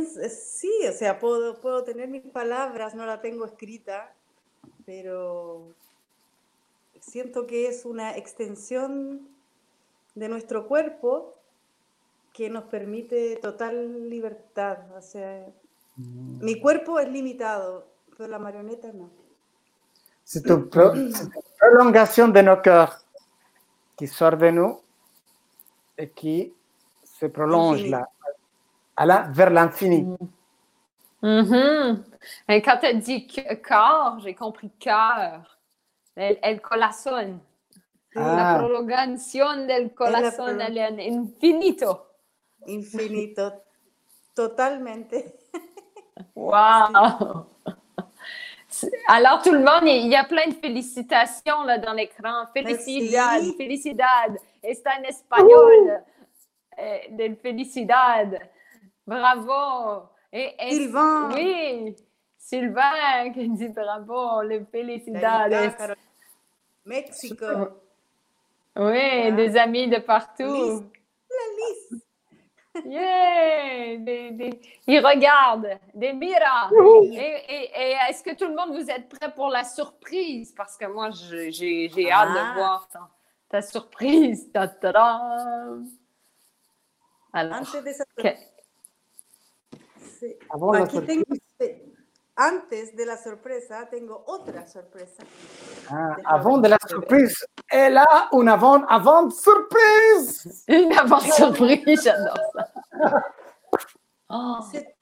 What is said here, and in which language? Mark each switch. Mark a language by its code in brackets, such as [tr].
[es] Sí, o sea, puedo tener mis palabras, no la tengo escrita, pero siento que es una extensión de nuestro cuerpo que nos permite total libertad. O sea, mi cuerpo es limitado, pero la marioneta no. [fr] C'est une prolongation de nos corps qui sort de nous et qui se prolonge là. Vers l'infini. Mm-hmm. Et quand tu as dit corps, j'ai compris cœur. [es] El corazón. Ah. La prolongación del corazón al infinito. Infinito. Totalmente. Wow! [fr] Alors, tout le monde, il y a plein de félicitations là, dans l'écran. [es] Felicidad. [fr] Merci. [es] Felicidad. Está en español. Del felicidad. Bravo! [fr] Sylvain! Oui! Sylvain qui dit bravo! Les félicitations! Mexico! Oui, ah, des amis de partout! La Lys! Yeah! Ils regardent! Des mira! Et est-ce que tout le monde, vous êtes prêts pour la surprise? Parce que moi, j'ai hâte de voir ta surprise! Ta-ta-da! Alors, [es] sí. Aquí tengo, antes de la sorpresa, tengo otra sorpresa. [fr] Ah, avant de la sorpresa, elle a un avant sorpresa. Un avant sorpresa, j'adore ça.